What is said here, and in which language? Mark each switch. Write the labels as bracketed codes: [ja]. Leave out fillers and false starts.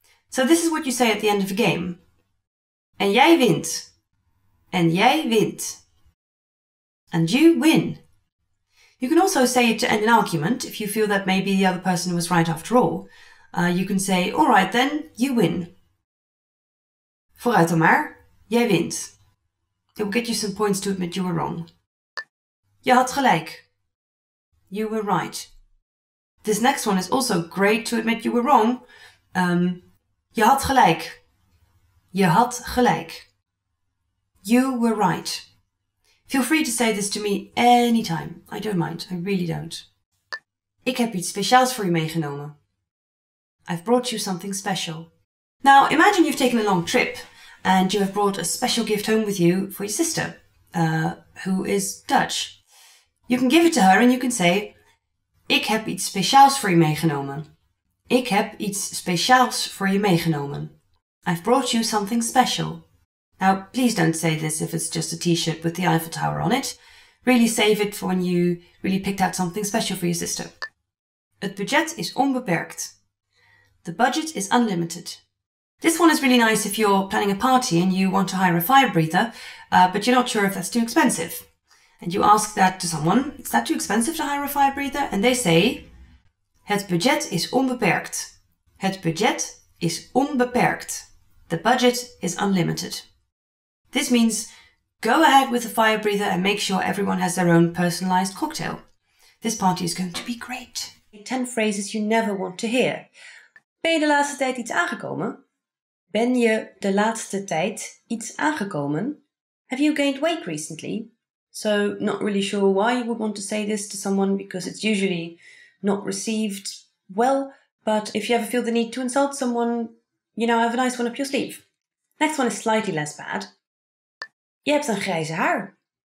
[en] So this is what you say at the end of a game. [nl] En jij wint. En jij wint. [en] And you win. You can also say it to end an argument if you feel that maybe the other person was right after all. You can say, all right then, you win. [nl] Vooruit dan maar, jij wint. [en] It will get you some points to admit you were wrong. [nl] Je had gelijk. [en] You were right. This next one is also great to admit you were wrong. [nl] Je had gelijk. Je had gelijk. [en] You were right. Feel free to say this to me anytime. I don't mind. I really don't. [nl] Ik heb iets speciaals voor je meegenomen. [en] I've brought you something special. Now, imagine you've taken a long trip and you have brought a special gift home with you for your sister, who is Dutch. You can give it to her and you can say, [nl] ik heb iets speciaals voor je meegenomen. Ik heb iets speciaals voor je meegenomen. [en] I've brought you something special. Now, please don't say this if it's just a t-shirt with the Eiffel Tower on it. Really save it for when you really picked out something special for your sister. [nl] Het budget is onbeperkt. [en] The budget is unlimited. This one is really nice if you're planning a party and you want to hire a fire breather, but you're not sure if that's too expensive. And you ask that to someone, is that too expensive to hire a fire breather? And they say, [nl] het budget is onbeperkt. Het budget is onbeperkt. [en] The budget is unlimited. This means, go ahead with the fire breather and make sure everyone has their own personalized cocktail. This party is going to be great. 10 phrases you never want to hear. [nl] Ben je de laatste tijd iets aangekomen? Ben je de laatste tijd iets aangekomen? [en] Have you gained weight recently? So, not really sure why you would want to say this to someone because it's usually not received well. But if you ever feel the need to insult someone, you know, have a nice one up your sleeve. Next one is slightly less bad. [nl] Je hebt een grijze haar.